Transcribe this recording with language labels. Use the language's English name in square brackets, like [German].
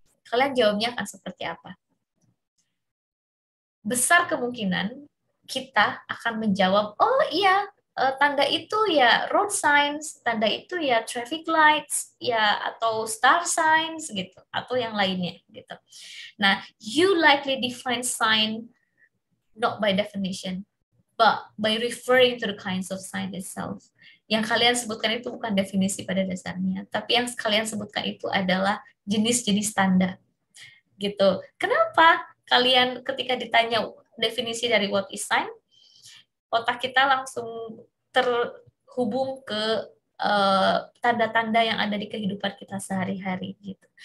[Indonesian] Kalian jawabnya akan seperti apa? Besar kemungkinan kita akan menjawab, oh iya, tanda itu ya road signs, tanda itu ya traffic lights, ya atau star signs gitu, atau yang lainnya gitu. Nah, [English] you likely define sign not by definition, but by referring to the kinds of sign itself. [Indonesian] Yang kalian sebutkan itu bukan definisi pada dasarnya, tapi yang kalian sebutkan itu adalah jenis-jenis tanda. Gitu. Kenapa kalian ketika ditanya definisi dari [English] what is sign, [Indonesian] otak kita langsung terhubung ke tanda-tanda yang ada di kehidupan kita sehari-hari gitu.